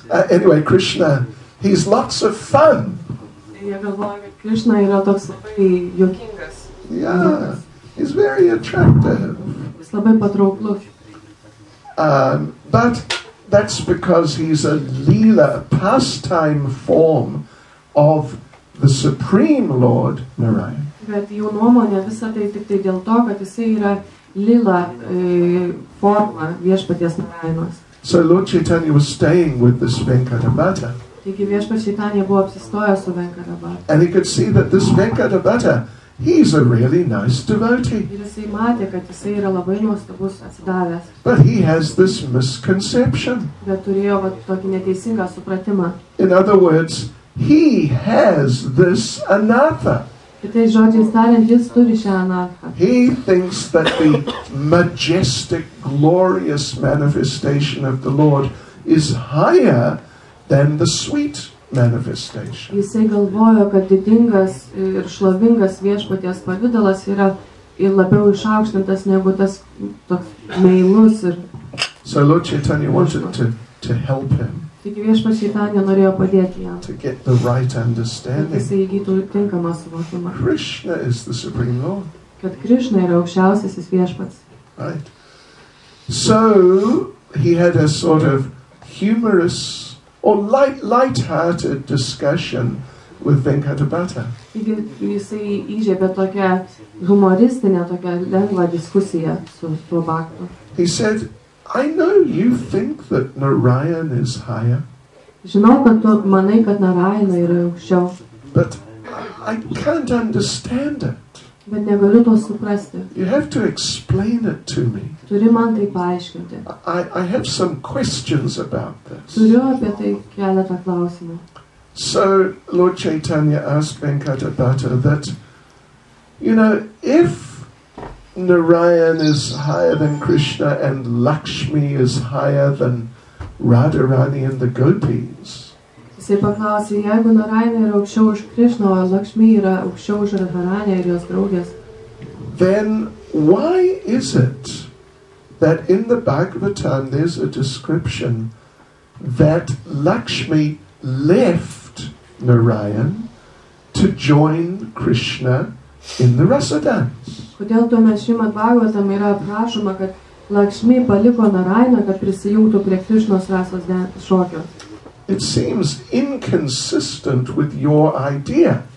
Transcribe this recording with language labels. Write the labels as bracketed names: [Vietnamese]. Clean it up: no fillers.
[English] Anyway, Krishna, he's lots of fun. [Lithuanian] Krishna yra toks labai juokingas. [English] Yeah, he's very attractive. [Lithuanian] Jis labai patrauklus. [English] But that's because he's a leela, pastime form of the Supreme Lord Narayan. [Lithuanian] Bet jų nuomonė visa tai tik tai dėl to, kad jis yra leela forma viešpaties Narayanos. [English] So Lord Chaitanya was staying with this Venkatabhata. [Lithuanian] Taigi viešpats Čaitanja buvo apsistojęs su Venkatabhata. [English] And he could see that this Venkatabhata, he's a really nice devotee. [Lithuanian] Ir jisai matė, kad jisai yra labai nuostabus atsidavęs. [English] But he has this misconception. [Lithuanian] Bet turėjo vat tokį neteisingą supratimą. [English] In other words, he has this anatha. [Lithuanian] Kitais žodžiais tariant, jis turi šią anatha. [English] He thinks that the majestic, glorious manifestation of the Lord is higher than the sweet manifestation. [Lithuanian] Jisai galvojo, kad didingas ir šlovingas viešpaties pavidalas yra ir labiau išaukštintas negu tas toks meilus ir. [English] So Lord Chaitanya wanted to help him. [Lithuanian] Taigi viešpats Čaitanja norėjo padėti jam. [English] To get the right understanding. [Lithuanian] Jisai įgytų tinkamą suvokimą. [English] Krishna is the Supreme Lord. [Lithuanian] Kad Krishna yra aukščiausiasis viešpats. [English] Right. So he had a sort of humorous or light-hearted discussion with Venkatabhata. [Lithuanian] Jisai įžiebė tokią humoristinę, tokią lengvą diskusiją su tuo bhaktu. [English] He said, I know you think that Narayan is higher. [Lithuanian] Žinau, kad tu manai, kad Narayana yra aukščiau. [English] But I can't understand it. [Lithuanian] Bet negaliu to suprasti. [English] You have to explain it to me. [Lithuanian] Turi man tai paaiškinti. [English] I have some questions about this. [Lithuanian] Turiu apie tai keletą klausimų. [English] So Lord Chaitanya asked Venkatabhata that, you know, if Narayan is higher than Krishna and Lakshmi is higher than Radharani and the gopis. [Lithuanian] Jisai paklausė, jeigu Narayana yra aukščiau už Krishna, o Lakshmi yra aukščiau už Radharani ir jos draugės. [English] Then why is it that in the Bhagavatam there's a description that Lakshmi left Narayan to join Krishna in the rasa dance? [Lithuanian] Kodėl tuomet Šrimad Bhagavatam yra aprašoma, kad Lakshmi paliko Narayana, kad prisijungtų prie Krishnos rasos šokio? [English] It seems inconsistent with your idea.